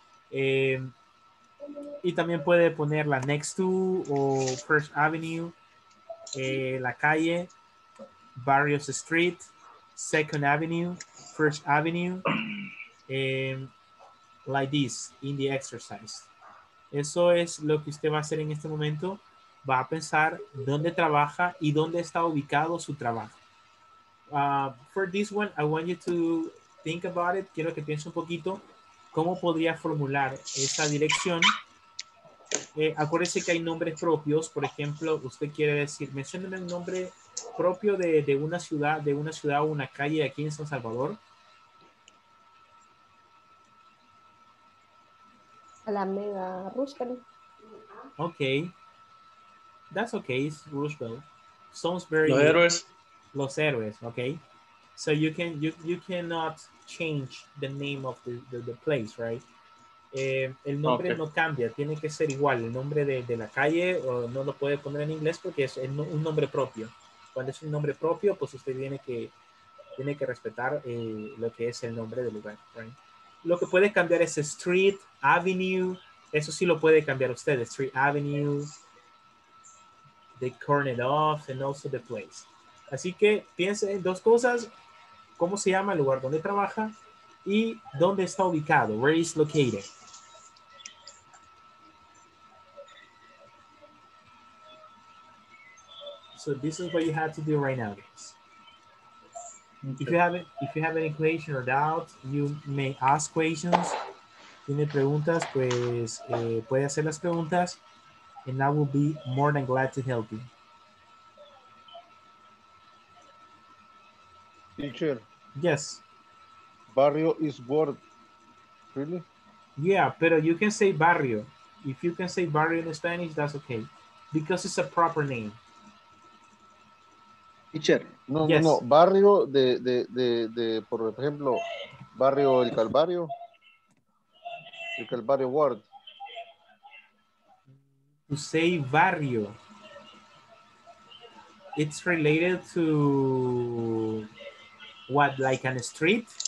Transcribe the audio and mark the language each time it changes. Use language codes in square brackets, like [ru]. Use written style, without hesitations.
[es] Y también puede poner la [en] next to [es] o First Avenue, la calle, Barrios Street, Second Avenue, First Avenue, like this in the exercise. Eso es lo que usted va a hacer en este momento. Va a pensar dónde trabaja y dónde está ubicado su trabajo. [en] For this one, I want you to think about it. [es] Quiero que piense un poquito cómo podría formular esa dirección. Acuérdese que hay nombres propios. Por ejemplo, usted quiere decir, mencióneme un nombre propio de una ciudad o una calle aquí en San Salvador. Alameda Roosevelt. [en] Okay. That's okay, it's Roosevelt. Sounds very [es] Los Héroes. Los Héroes, okay. [en] So you cannot change the name of the place, right? [es] El nombre okay. No cambia, tiene que ser igual. El nombre de la calle o no lo puede poner en inglés porque es un nombre propio. Cuando es un nombre propio, pues usted tiene que respetar lo que es el nombre del lugar, right? Lo que puede cambiar es Street Avenue. Eso sí lo puede cambiar usted. [en] Street Avenue, the corner off, and also the place. [es] Así que piense en dos cosas. ¿Cómo se llama el lugar donde trabaja? Y ¿dónde está ubicado? [en] Where is located? So this is what you have to do right now, guys. If you have any question or doubt, you may ask questions. [es] Tiene preguntas, pues puede hacer las preguntas. [en] And I will be more than glad to help you. Teacher. Yes. Barrio is word. Really? Yeah, pero you can say barrio. If you can say barrio in Spanish, that's okay. Because it's a proper name. Teacher, no, yes. [es] No, barrio de por ejemplo, barrio el Calvario Ward. [en] To say barrio, it's related to what, like a street?